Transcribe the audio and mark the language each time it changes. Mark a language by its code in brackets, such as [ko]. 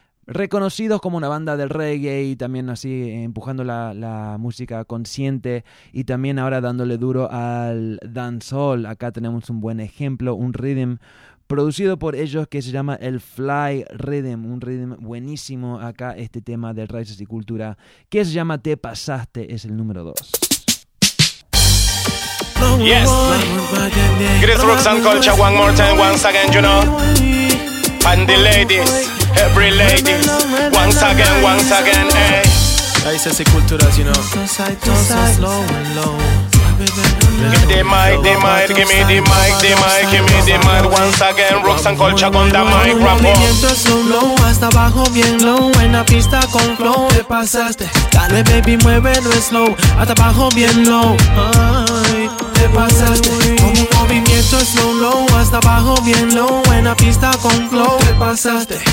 [es] Reconocidos como una banda del reggae y también así empujando la música consciente y también ahora dándole duro al dancehall. Acá tenemos un buen ejemplo, un rhythm producido por ellos que se llama el Fly Rhythm, un rhythm buenísimo acá, este tema de Raíces y Cultura que se llama Te Pasaste, es el número 2. [en] Yes, Chris Rooks and Culture, one more time, once again, you know. And the ladies, every lady, once again, eh. I say culturas, you know. Give me the mic, once again, rocks and culture con the mic, rap. [es] El movimiento es un low, hasta abajo bien low, en la pista con flow, te pasaste. Dale baby, muévelo slow, hasta abajo bien low. Ay, te pasaste. Movimiento slow low, hasta abajo bien low, en la pista con flow, te pasaste.